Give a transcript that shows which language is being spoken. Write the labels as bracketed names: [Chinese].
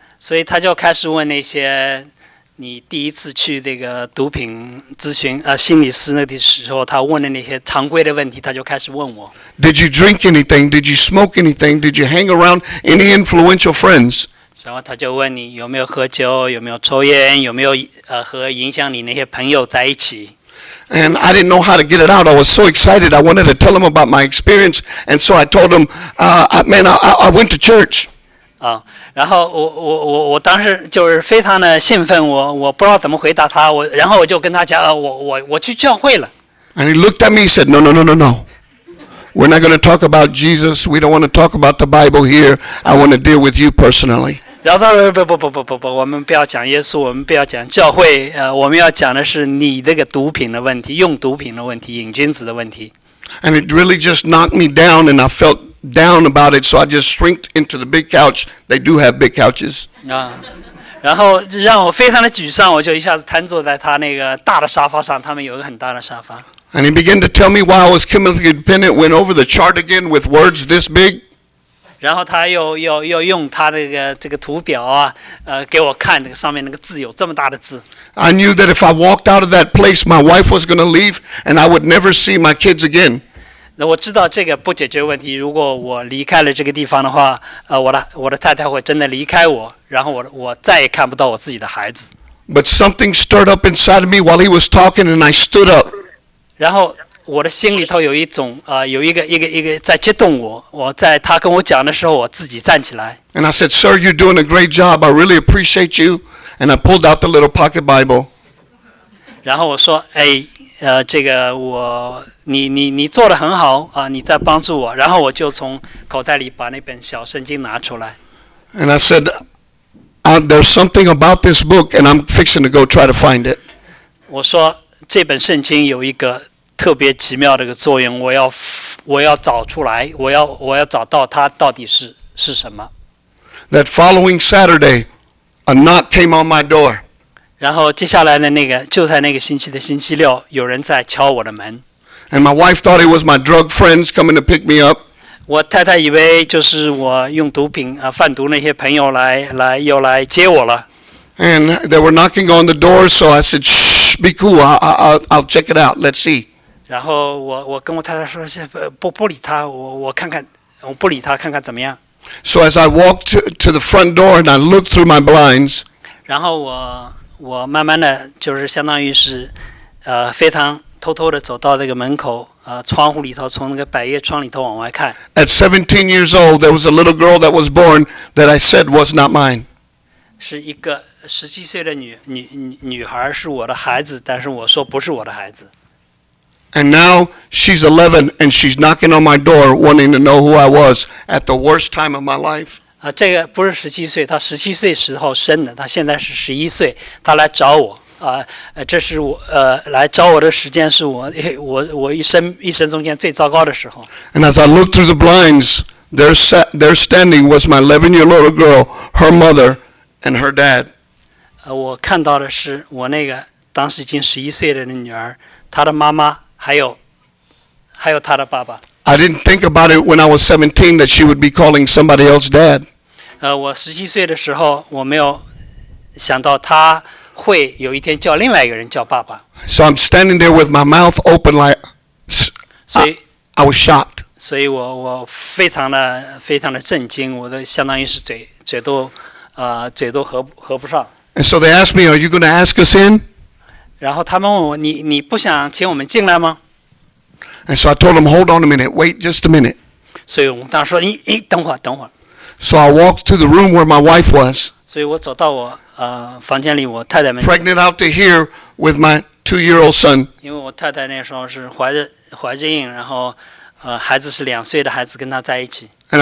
[Chinese] 所以他就开始问那些你第一次去这个毒品咨询心理师那的时候，他问的那些常规的问题，他就开始问我。 [English] Did you drink anything? Did you smoke anything? Did you hang around any influential friends? [Chinese] 然后他就问你有没有喝酒，有没有抽烟，有没有和影响你那些朋友在一起。 [English] And I didn't know how to get it out. I was so excited. I wanted to tell him about my experience. And so I told him, I went to church. [Chinese] 然后我当时就是非常的兴奋，我不知道怎么回答他。然后我就跟他讲，我去教会了。 [English] And he looked at me and said, No. We're not going to talk about Jesus. We don't want to talk about the Bible here. I want to deal with you personally. [Chinese] 然后他说，不，我们不要讲耶稣，我们不要讲教会，我们要讲的是你这个毒品的问题，用毒品的问题，瘾君子的问题。 [English] And it really just knocked me down, and I felt down about it, so I just shrinked into the big couch. They do have big couches. [Chinese] 然后让我非常的沮丧，我就一下子瘫坐在他那个大的沙发上，他们有一个很大的沙发。 [English] And he began to tell me why I was chemically dependent, went over the chart again with words this big. [Chinese] 然后他又用他的这个图表给我看那个上面那个字有这么大的字。 [English] I knew that if I walked out of that place, my wife was going to leave and I would never see my kids again. [Chinese] 那我知道这个不解决问题，如果我离开了这个地方的话，我的太太会真的离开我，然后我再也看不到我自己的孩子。 [English] But something stirred up inside of me while he was talking and I stood up. [Chinese] 然后我的心里头有一种有一个在激动我，我在他跟我讲的时候，我自己站起来。 [English] And I said, "Sir, you're doing a great job. I really appreciate you." And I pulled out the little pocket Bible. [Chinese] 然后我说，哎，这个我，你做得很好你在帮助我。然后我就从口袋里把那本小圣经拿出来。 [English] And I said, "There's something about this book, and I'm fixing to go try to find it." [Chinese] 我说这本圣经有一个特别奇妙的一个作用，我要找出来，我要找到它到底是什么。 [English] That following Saturday, a knock came on my door. [Chinese] 然后接下来的那个就在那个星期的星期六，有人在敲我的门。 [English] And my wife thought it was my drug friends coming to pick me up. [Chinese] 我太太以为就是我用毒品贩毒那些朋友来又来接我了。 [English] And they were knocking on the door, so I said, "Shh, be cool. I'll check it out. Let's see." [Chinese] 然后我跟我太太说不理他，我看看，我不理他看看怎么样。 [English] So as I walked to the front door and I looked through my blinds， [Chinese] 然后我慢慢的就是相当于是非常偷偷的走到那个门口窗户里头，从那个百叶窗里头往外看。 [English] At 17 years old, there was a little girl that was born that I said was not mine。 [Chinese] 是一个17岁的女孩是我的孩子，但是我说不是我的孩子。 [English] And now she's 11, and she's knocking on my door, wanting to know who I was at the worst time of my life. [Chinese] 这个不是十七岁，她十七岁时候生的，她现在是十一岁，她来找我。这是我来找我的时间，是我一生中间最糟糕的时候。 [English] And as I looked through the blinds, there standing was my 11-year little girl, her mother, and her dad. [Chinese] 我看到的是我那个当时已经十一岁的女儿，她的妈妈。还有他的爸爸。 [English] I didn't think about it when I was 17 that she would be calling somebody else dad. [Chinese] 我十七岁的时候，我没有想到他会有一天叫另外一个人叫爸爸。 [English] So I'm standing there with my mouth open like, I was shocked. [Chinese] 所以我非常的震惊，我的相当于是嘴都合不上。 [English] And so they asked me, "Are you going to ask us in?" [Chinese] 然后他们问我，你不想请我们进来吗？ [English] And so I told him, "Hold on a minute, wait just a minute." [Chinese] 所以我当时说，等会儿。 [English] So I walked to the room where my wife was. Pregnant out to here with my two-year-old son. And